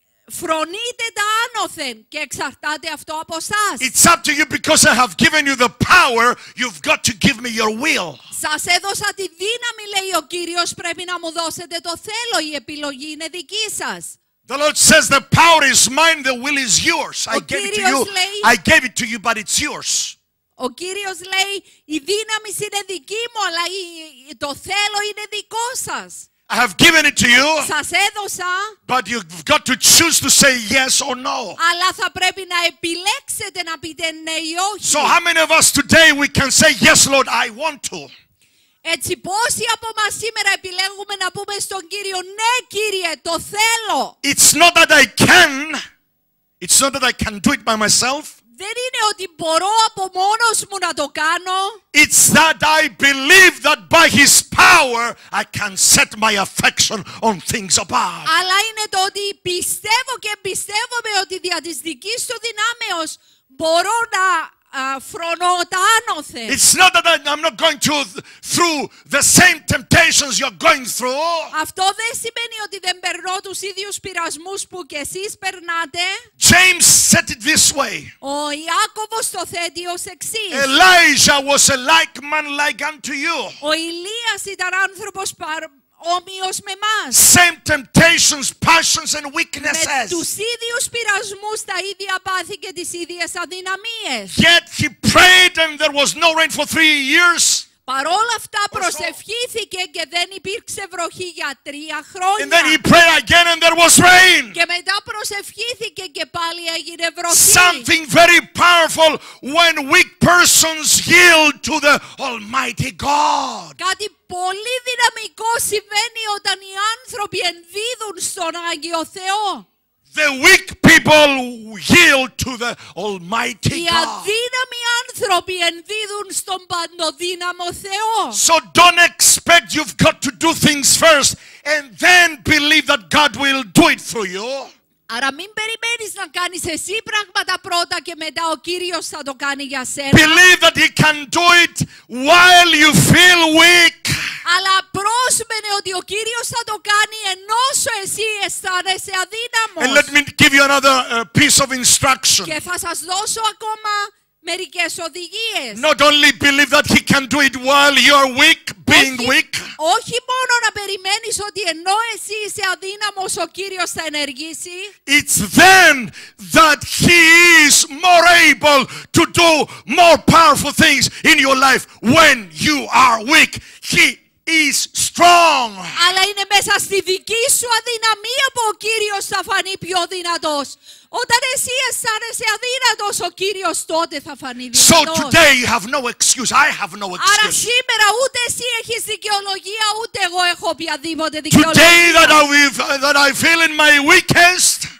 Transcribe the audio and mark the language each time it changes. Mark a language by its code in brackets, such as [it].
[el] Φρονείτε τα άνωθεν και εξαρτάται αυτό από σας. [en] It's up to you because I have given you the power. You've got to give me your will. [el] Σας έδωσα τη δύναμη, λέει ο Κύριος, πρέπει να μου δώσετε το θέλω. Η επιλογή είναι δική σας. [en] The Lord says the power is mine, the will is yours. I gave it to you. I gave it to you, but it's yours. [el] Ο Κύριος λέει η δύναμη είναι δική μου, αλλά το θέλω είναι δικό σας. [en] I have given it to you. [el] Σας έδωσα. [en] But you've got to choose to say yes or no. [el] Αλλά θα πρέπει να επιλέξετε να πείτε ναι ή όχι. [en] So how many of us today we can say yes, Lord, I want to. [el] Έτσι πόσοι από μας σήμερα επιλέγουμε να πούμε στον Κύριο ναι, Κύριε, το θέλω. [en] It's not that I can. It's not that I can do it by myself. [el] Δεν είναι ότι μπορώ από μόνος μου να το κάνω. [en] It's that I believe that by His power I can set my affection on things above. [el] Αλλά είναι το ότι πιστεύω και εμπιστεύομαι ότι δια της δικής του δυνάμεως μπορώ να φρονώ τα άνωθεν. [en] It's not that I'm not going to through the same temptations you're going through. [el] Αυτό δεν σημαίνει ότι δεν περνώ τους ίδιους πειρασμούς που και εσείς περνάτε. [en] James said it this way. [el] Ο Ιάκωβος το θέτει ως εξής. [en] Elijah was a like man like unto you. [el] Ο Ηλίας ήταν άνθρωπος ομοίως με μας. [en] Same temptations, passions and weaknesses. [el] Με τους ίδιους πειρασμούς, τα ίδια πάθη και τις ίδιες αδυναμίες. [en] Yet he prayed and there was no rain for 3 years. [el] Παρόλα αυτά προσευχήθηκε και δεν υπήρξε βροχή για 3 χρόνια. [en] And then he prayed again and there was rain. [el] Και μετά προσευχήθηκε και πάλι έγινε βροχή. [en] Something very powerful when weak persons yield to the Almighty God. [el] Κάτι πολύ δυναμικό συμβαίνει όταν οι άνθρωποι ενδίδουν στον Άγιο Θεό. [en] The weak people yield to the Almighty God. [el] Οι αδύναμοι άνθρωποι ενδίδουν στον παντοδύναμο Θεό. [en] So don't expect you've got to do things first and then believe that God will do it for you. [el] Άρα μην περιμένεις να κάνεις εσύ πράγματα πρώτα και μετά ο Κύριος θα το κάνει για σένα. [en] Believe that he can do it while you feel weak. [el] Αλλά πρόσμενε ότι ο Κύριος θα το κάνει ενώ σου εσύ αισθάνεσαι αδύναμος. [en] And let me give you another piece of instruction. [el] Και θα σας δώσω ακόμα μερικές οδηγίες. [en] Not only believe that he can do it while you are weak, being weak. [el] Όχι μόνο να περιμένεις ότι ενώ εσύ είσαι αδύναμος ο Κύριος θα ενεργήσει. [en] It's then that he is more able to do more powerful things in your life when you are weak. He is strong. [el] Αλλά είναι μέσα στη δική σου αδυναμία που ο Κύριος θα φανεί πιο δυνατός. Όταν εσύ αισθάνεσαι αδύνατος, ο Κύριος τότε θα φανεί δυνατός. [en] So today you have no excuse. I have no excuse. [el] Άρα σήμερα ούτε εσύ έχεις δικαιολογία, ούτε εγώ έχω οποιαδήποτε δικαιολογία. [en] Today that I feel in my weakest.